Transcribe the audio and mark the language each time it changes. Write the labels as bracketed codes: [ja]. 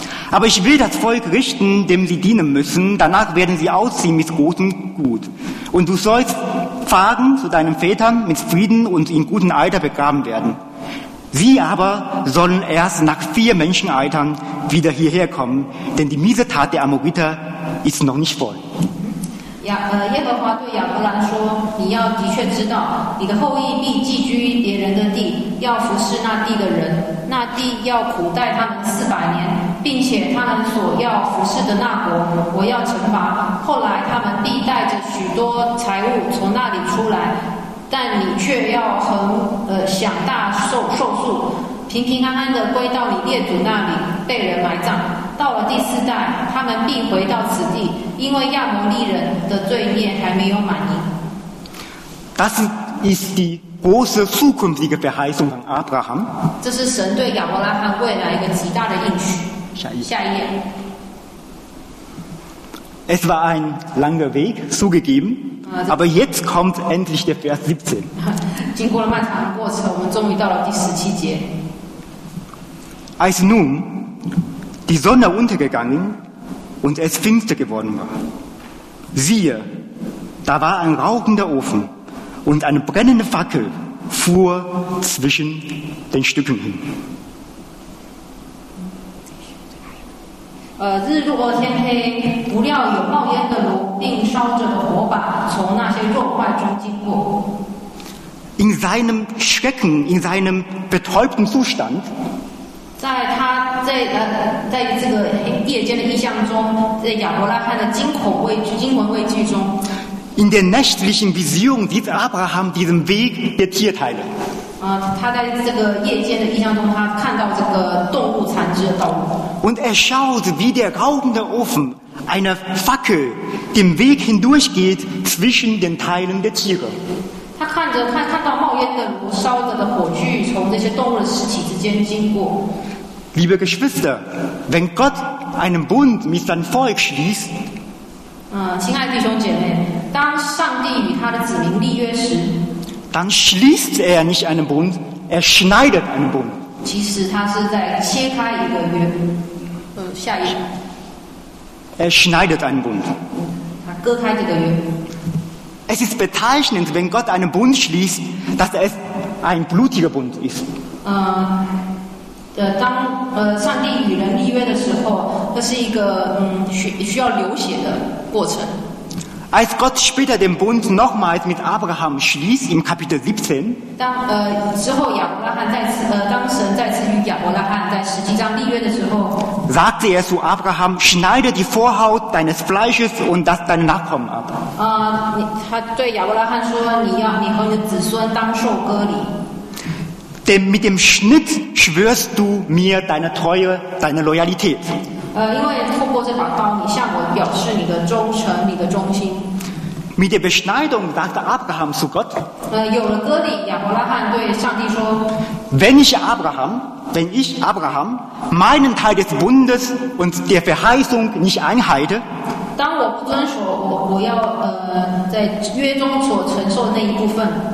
[de] Aber ich will das Volk richten, dem sie dienen müssen. Danach werden sie ausziehen mit großem Gut. Und du sollst fahren zu deinen Vätern mit Frieden und in gutem Alter begraben werden. Sie aber sollen erst nach 4 Menschenaltern wieder hierher kommen, denn die miese Tat der Amoriter ist noch nicht voll. [zh] 耶和华对亚伯兰说，你要的确知道，你的后裔必寄居别人的地，要服侍那地的人，那地要苦待他们400年，并且他们所要服侍的那国，我要惩罚。后来他们必带着许多财物从那里出来，但你却要横享大寿数，平平安安的归到你列祖那里，被人埋葬。到了第四代，他们必回到此地，因为亚摩利人的罪孽还没有满盈。 [de] Das ist die große zukünftige Verheißung von Abraham. [zh] 这是神对亚伯拉罕未来一个极大的应许。下一页。 [de] Es war ein langer Weg, zugegeben, aber jetzt kommt endlich der Vers 17. [zh] 经过了漫长的过程，我们终于到了第十七节。 [de] Als nun die Sonne untergegangen und es finster geworden war, siehe, da war ein rauchender Ofen und eine brennende Fackel fuhr zwischen den Stücken hin. [zh] 日落天黑，不料有冒烟的炉，并烧着火把从那些肉块中经过。 [de] In seinem Schrecken, in seinem betäubten Zustand, [zh] 在这个夜间的异象中，在亚伯拉罕的惊魂未惧中。 [de] In der nächtlichen Vision sieht Abraham diesen Weg der Tierteile. [zh] 他在这个夜间的异象中，他看到这个动物残肢的道路。 [de] Und er schaut, wie der rauchende Ofen einer Fackel den Weg hindurchgeht zwischen den Teilen der Tiere. [zh] 看到冒烟的炉，烧着的火炬从这些动物的尸体之间经过。 [de] Liebe Geschwister, wenn Gott einen Bund mit seinem Volk schließt, [zh] 亲爱的弟兄姐妹，当上帝与他的子民立约时， [de] dann schließt er nicht einen Bund, er schneidet einen Bund. [zh] 其实他是在切开一个约。下一页。 [de] Er schneidet einen Bund. [zh] 他割开这个约。 [de] Es ist bezeichnend, wenn Gott einen Bund schließt, dass es ein blutiger Bund ist. [zh] 当上帝与人立约的时候，这是一个需要流血的过程。 [de] Als Gott später den Bund nochmals mit Abraham schließt im Kapitel 17, [zh] 当神再次与亚伯拉罕在十七章立约的时候， [de] sagte er zu Abraham, schneide die Vorhaut deines Fleisches und das deiner Nachkommen ab. [zh] 他对亚伯拉罕说，你和你的子孙当受割礼。 [de] Denn mit dem Schnitt schwörst du mir deine Treue, deine Loyalität. [zh] 因为通过这把刀，你向我表示你的忠诚，你的忠心。 [de] Mit der Beschneidung sagte Abraham zu Gott. [zh] 有了割礼，亚伯拉罕对上帝说。 [de] Wenn ich Abraham meinen Teil des Bundes und der Verheißung nicht einhalte, [zh] 当我不遵守我要在约中所承受的那一部分。